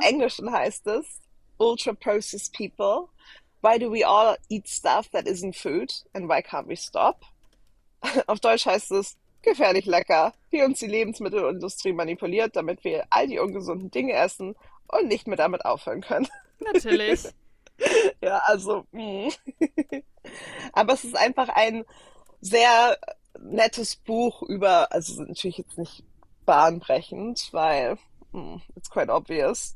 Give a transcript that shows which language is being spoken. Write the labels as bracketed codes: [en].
[de] Englisch heißt es Ultra Processed People. [en] Why do we all eat stuff that isn't food and why can't we stop? [de] Auf Deutsch heißt es gefährlich lecker, wie uns die Lebensmittelindustrie manipuliert, damit wir all die ungesunden Dinge essen und nicht mehr damit aufhören können. Natürlich. Ja, also. Aber es ist einfach ein sehr nettes Buch über, also natürlich jetzt nicht bahnbrechend, weil [en] it's quite obvious,